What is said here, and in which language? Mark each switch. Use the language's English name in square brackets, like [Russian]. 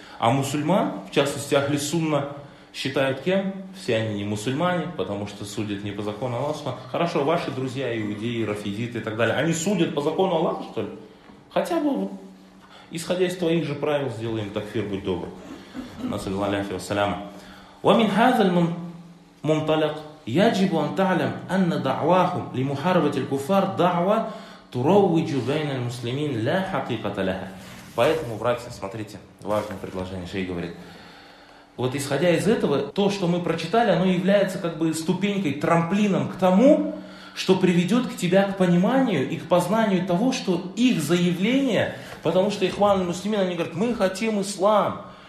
[Russian] А мусульман, в частности ахли сунна, считают кем? Все они не мусульмане, потому что судят не по закону Аллаха. Хорошо, ваши друзья, иудеи, рафизиты и так далее, они судят по закону Аллаха, что ли? Хотя бы, исходя из твоих же правил, сделаем такфир, будь добр. [Arabic] Насаллаллаху алейхи ва саляма. Ва мин хазаль мунталик يجب أن تعلم أن دعواهم لمحاربة الكفار دعوة تروج بين المسلمين لا حقيقة لها. [Russian] Поэтому, братья, смотрите, важное предложение, шейх говорит. Вот исходя из этого, то, что мы прочитали, оно является как бы ступенькой, трамплином к тому, что приведет к тебя к пониманию и к познанию того, что их заявление, потому что ихван аль-муслимин, они говорят, мы хотим ислам.